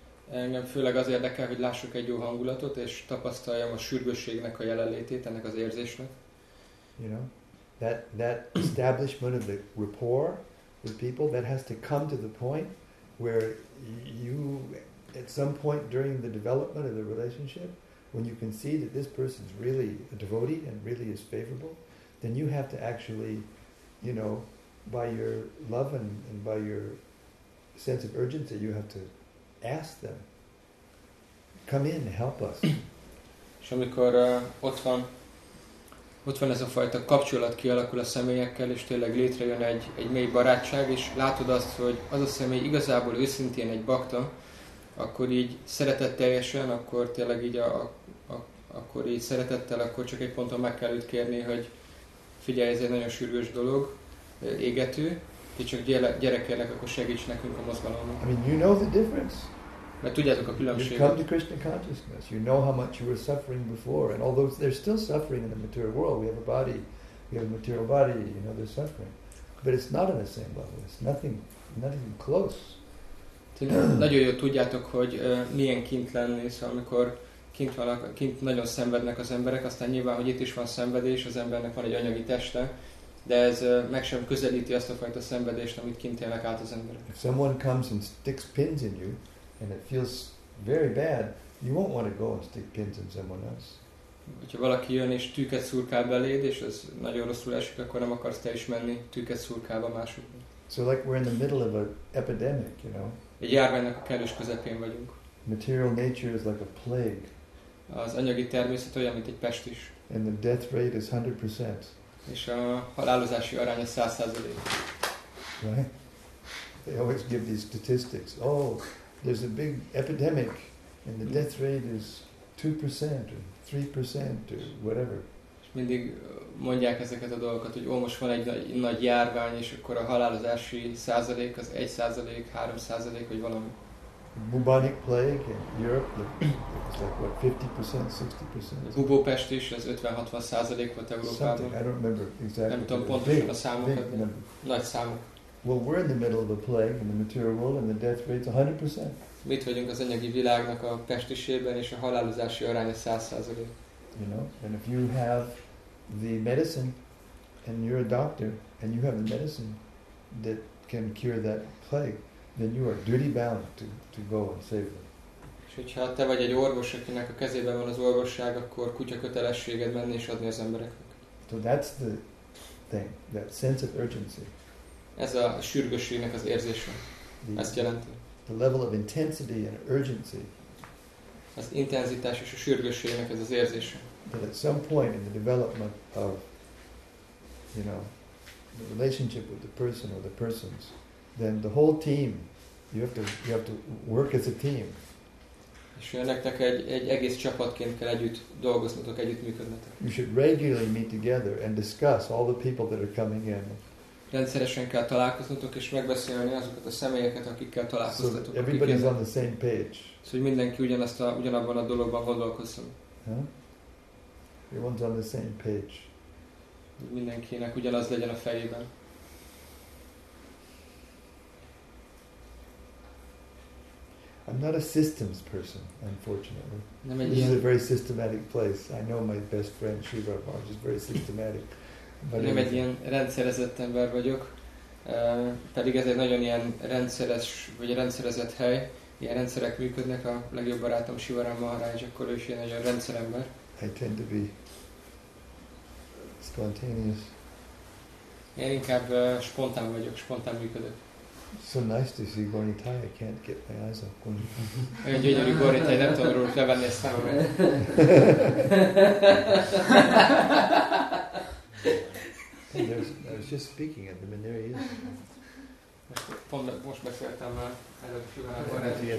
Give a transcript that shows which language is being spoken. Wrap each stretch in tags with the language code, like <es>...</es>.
<hu>Engem főleg az érdekel, hogy lássuk egy jó hangulatot és tapasztaljam a sürgősségnek a jelenlétét, ennek az érzésnek.</hu> <en>You know, that establishment of the rapport with people that has to come to the point where you, at some point during the development of the relationship, when you can see that this person is really a devotee and really is favorable, then you have to actually, you know, by your love and by your sense of urgency, you have to ask them, come in, help us.</en> <hu>És amikor ott van ez a fajta kapcsolat kialakul a személyekkel, és tényleg létrejön egy mély barátság, és látod azt, hogy az a személy igazából őszintén egy bakta, akkor így szeretetteljesen, akkor tényleg így akkor így szeretettel, akkor csak egy ponton meg kell őt kérni, hogy figyelj, ez egy nagyon sürgős dolog, égető, ti csak gyerekelnek, akkor segíts nekünk a mozgalomban.</hu> <en>I mean, you know the difference.</en> <hu>Mert tudjátok a különbséget.</hu> <en>You come to Krishna consciousness. You know how much you were suffering before, and although there's still suffering in the material world, we have a body, we have a material body, you know there's suffering. But it's not on the same level. It's nothing close.</en> <hu>Nagyon jól tudjátok, hogy milyen kint lenni, szóval amikor kint vannak, kint nagyon szenvednek az emberek, aztán nyilván, hogy itt is van szenvedés, az embernek van egy anyagi teste, de ez meg sem közelíti azt a fajta szenvedést, amit kint élnek át az emberek.</hu> <en>If someone comes and sticks pins in you, and it feels very bad, you won't want to go and stick pins in someone else.</en> <hu>Hogyha valaki jön és tűket szurkál beléd, és ez nagyon rosszul esik, akkor nem akarsz te is menni tűket szurkálva másokban.</hu> <en>So like we're in the middle of an epidemic, you know.</en> <hu>Egy járványnak a kellős közepén vagyunk.</hu> <en>Material nature is like a plague.</en> <hu>Az anyagi természet olyan, mint egy pest is.</hu> <en>And the death rate is 100%.</en> <hu>És a halálozási aránya 100%.</hu> <en>Right? They always give these statistics. Oh, there's a big epidemic and the death rate is 2% or 3% or whatever.</en> <hu>És mindig mondják ezeket a dolgokat, hogy ó, most van egy nagy járvány, és akkor a halálozási százalék az 1%, 3%, vagy valami.</hu> <en>Bubonic plague in Europe, it's like what, 50%, 60%?</en> <hu>Bubópest is, az 50-60% volt Európában.</hu> <en>Something, I don't remember exactly.</en> <hu>Nem tudom pontosan a számokat, nagy számok.</hu> <en>Well, we're in the middle of a plague in the material world, and the death rate's 100%.</en> <hu>Mit vagyunk az anyagi világnak a pestisében, és a halálozási aránya 100%.</hu> <en>You know, and if you have the medicine, and you're a doctor, and you have the medicine that can cure that plague, then you are duty bound to go and save them.</en> <hu>És hogyha te vagy egy orvos, akinek a kezében van az orvosság, akkor kutya kötelességed menni és adni az embereknek.</hu> <en>So that's the thing, that sense of urgency.</en> <hu>Ez a sürgősségnek az érzése. Ezt jelenti.</hu> <en>The level of intensity and urgency.</en> <hu>Az intenzitás és a sürgősségnek ez az érzése.</hu> <en>That at some point in the development of, you know, the relationship with the person or the persons, then the whole team, you have to work as a team.</en> <hu>És nektek egy egész csapatként kell együtt dolgoznotok, együtt működnetek.</hu> <en>You should regularly meet together and discuss all the people that are coming in.</en> <hu>Rendszeresen kell találkoznotok és megbeszélni azokat a személyeket, akikkel találkoztatok.</hu> <en>So everybody is on the same page.</en> <hu>Szóval mindenki ugyanabban a dologban gondolkozzon.</hu> <en>Everyone's on the same page.</en> <hu>Mindenkinek ugyanaz legyen a fejében.</hu> <en>I'm not a systems person, unfortunately. This is a very systematic place. I know my best friend Sri Prabhupada is very systematic.</en> <hu>But nem egy ilyen rendszerezett ember vagyok, pedig ez egy nagyon ilyen rendszeres vagy rendszerezett hely. Ilyen rendszerek működnek. A legjobb barátom Sivaram Maharaj, akkor ő is ilyen nagyon rendszerember.</hu> <en>I tend to be spontaneous.</en> <hu>Én inkább spontán vagyok, spontán működök.</hu> <en>So nice to see Gorni Thai, I can't get my eyes off Gorni Thai.</en> <hu>Olyan gyönyörű Gorni Thai, nem tudom róla levenni a számomra.</hu> <en>I was just speaking at him, and there he is.</en> <hu>Most beszéltem már előbb,</hu>